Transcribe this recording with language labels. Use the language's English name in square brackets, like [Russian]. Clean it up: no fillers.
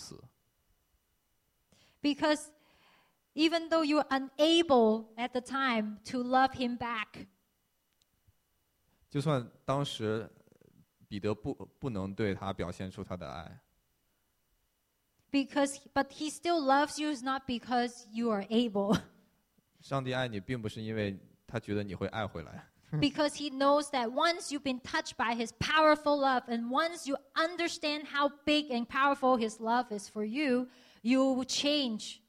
[Chinese] 耶稣依然愿意为他在十字架上所死。Because [English] even though you are unable at the time to love him back. [Chinese] 就算当时 彼得不能对他表现出他的爱。 [English] But he still loves you is not because you are able. [Chinese] 上帝爱你并不是因为他觉得你会爱回来。Because [English] he knows that once you've been touched by his powerful love and once you understand how big and powerful his love is for you, you will change.